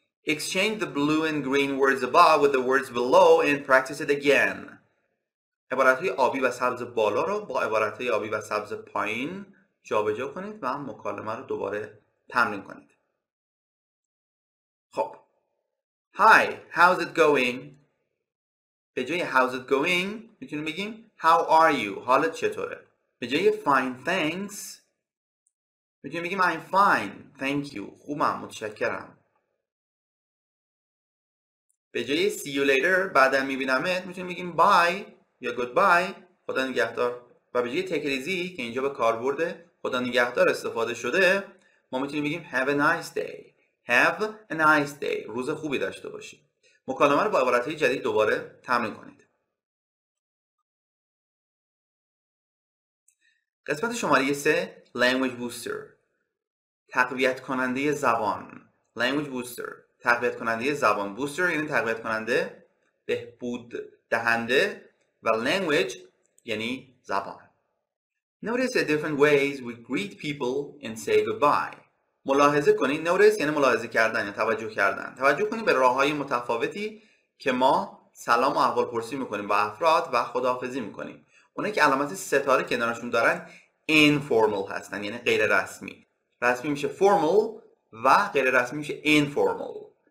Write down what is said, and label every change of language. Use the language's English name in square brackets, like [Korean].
[English] Exchange the blue and green words above with the words below and practice it again. [Persian] عبارت های آبی و سبز بالا رو با عبارت های آبی و سبز پایین جابجا کنید و مکالمه رو دوباره تمرین کنید. [English] خب. Hi, how's it going? [Persian] به جای [English] how's it going [Persian] میتونیم بگیم [English] how are you? [Persian] حالت چطوره؟ به جای [English] fine, thanks [Persian] میتونیم بگیم [English] I'm fine, thank you. [Persian] خوبم, متشکرم. به جای [English] see you later, [Persian] بعدا میبینمت, میتونیم بگیم bye یا goodbye, خدا نگهدار. و به جای [English] take it easy [Persian] که اینجا به کار برده خدا نگهدار استفاده شده, ما میتونیم بگیم [English] have a nice day. Have a nice day. [Persian] روز خوبی داشته باشی. مکالمه رو با عبارت‌های جدید دوباره تمرین کنید. قسمت شماره 3, language booster. تقویت کننده زبان. Language booster. تقویت کننده زبان. Booster یعنی تقویت کننده, بهبود دهنده, و language یعنی زبان. [English] Notice the different ways we greet people and say goodbye. [Persian] ملاحظه کنید. Notice یعنی ملاحظه کردن یا توجه کردن. توجه کنید به راه‌های متفاوتی که ما سلام و احوالپرسی میکنیم با افراد و خداحافظی میکنیم. اونایی که علامت ستاره کنارشون دارن informal هستن, یعنی غیر رسمی. رسمی میشه formal و غیر رسمی میشه informal.